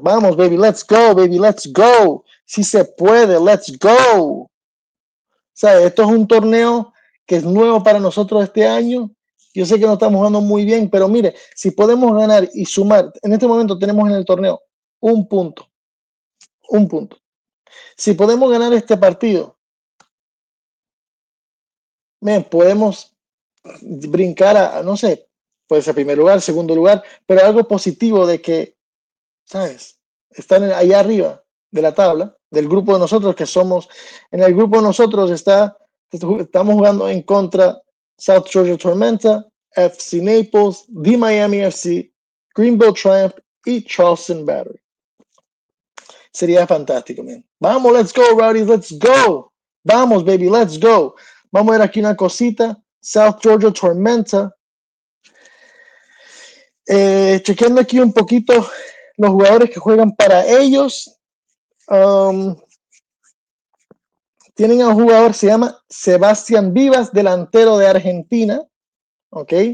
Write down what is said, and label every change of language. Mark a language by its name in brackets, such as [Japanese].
[English] Vamos, baby, let's go, baby, let's go. [Spanish] Si se puede, [English] let's go. [Spanish] O sea, esto es un torneo que es nuevo para nosotros este año. Yo sé que no estamos jugando muy bien, pero mire, si podemos ganar y sumar, en este momento tenemos en el torneo un punto. Un punto. Si podemos ganar este partido, man, podemos brincar a, no sé, puede ser primer lugar, segundo lugar, pero algo positivo de que, ¿sabes? Están allá arriba de la tabla, del grupo de nosotros que somos, en el grupo de nosotros está, estamos jugando en contra South Georgia Tormenta, FC Naples, The Miami FC, Greenville Triumph y Charleston Battery. Sería fantástico, man. [English] Vamos, let's go, Rowdy, let's go. Vamos, baby, let's go. [Spanish] Vamos a ver aquí una cosita. South Georgia Tormenta. Chequeando aquí un poquito los jugadores que juegan para ellos. Tienen a un jugador, se llama Sebastián Vivas, delantero de Argentina. Ok.